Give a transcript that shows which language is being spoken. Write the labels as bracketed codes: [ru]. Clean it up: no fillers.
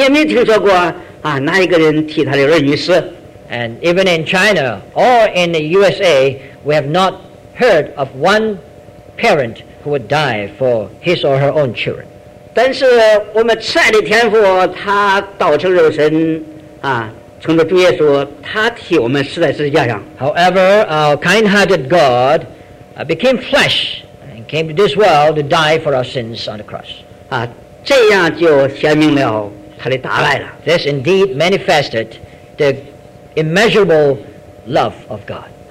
[zh] 在我们的国家，就我们的自己的中国或者美国，我们也没听说过哪一个人替他的儿女死。 [en] And even in China or in the USA, we have not heard of one parent who would die for his or her own children. [zh] 但是我们慈爱的天父，他道成肉身，成了主耶稣，他替我们死在十字架上。 [en] However, our kind-hearted God became flesh, came to this world to die for our sins on the cross. This indeed manifested the immeasurable love of God.